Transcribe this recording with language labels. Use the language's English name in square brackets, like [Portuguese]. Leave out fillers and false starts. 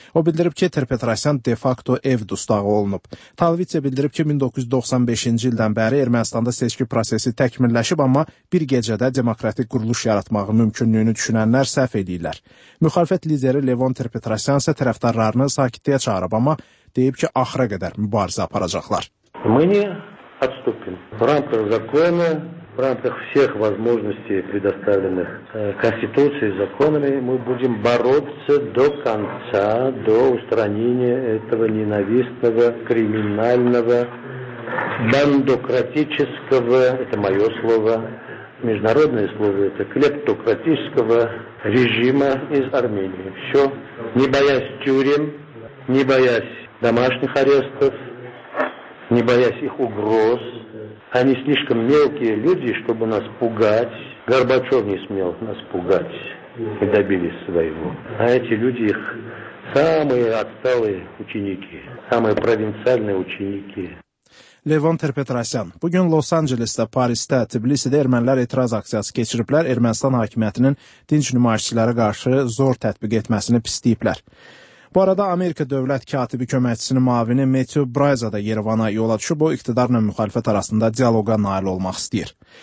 [Azerbaijani] O bildirib ki, Trepetrasyan de facto ev dustağı olunub. Talvitiya bildirib ki, 1995-ci ildən bəri Ermənistanda seçki prosesi təkmilləşib, amma bir gecədə demokratik quruluş yaratmağı mümkünlüyünü düşünənlər səhv edirlər. Müxalifət lideri Levon Trepetrasyan isə tərəfdarlarını sakitliyə çağırıb, amma deyib ki, axıra qədər mübarizə aparacaqlar. [Russian] Отступим. В рамках закона, в рамках всех возможностей, предоставленных Конституцией и законами, мы будем бороться до конца, до устранения этого ненавистного, криминального, бандократического, это мое слово, международное слово, это клептократического режима из Армении. Все, не боясь тюрем, не боясь домашних арестов, не боясь их угроз. Они слишком мелкие люди, чтобы нас пугать. Горбачев не смел нас пугать и добились своего. А эти люди их самые отсталые ученики, самые провинциальные ученики. [Azerbaijani] Levon Trepetrasyan. Bugün Los-Angeles'də, Paris'də, Tbilisi'də ermənilər etiraz aksiyası keçiriblər, Ermənistan hakimiyyətinin dinç nümayişçilərə qarşı zor tətbiq etməsini pisləyiblər. Bu arada Amerika Dövlət Katibi Köməkçisinin müavini Matthew Braza da Yerevana yola düşüb, o iqtidarla müxalifət arasında dialoga nail olmaq istəyir.